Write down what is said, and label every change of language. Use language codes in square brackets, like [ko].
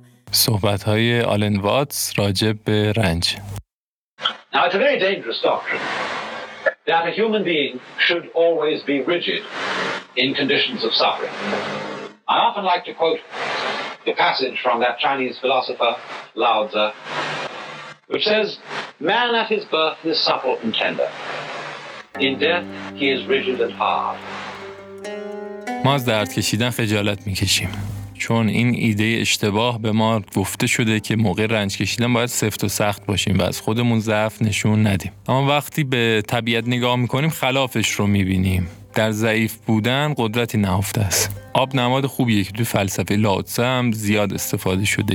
[fa] صحبت های آلن واتس راجب به رنج. [en] Now it's a very dangerous doctrine that a human being should always be rigid in conditions of suffering. I often like to quote the passage from that Chinese philosopher Lao Tzu, which says, "Man at his birth is supple and tender. In death he is rigid and hard." [fa] ما از درد کشیدن خجالت میکشیم، چون این ایده اشتباه به ما گفته شده که موقع رنج کشیدن باید سفت و سخت باشیم و از خودمون ضعف نشون ندیم. اما وقتی به طبیعت نگاه میکنیم خلافش رو میبینیم. در ضعیف بودن قدرتی نهفته است. آب نماد خوبیه که توی فلسفه لاوتسه هم زیاد استفاده شده.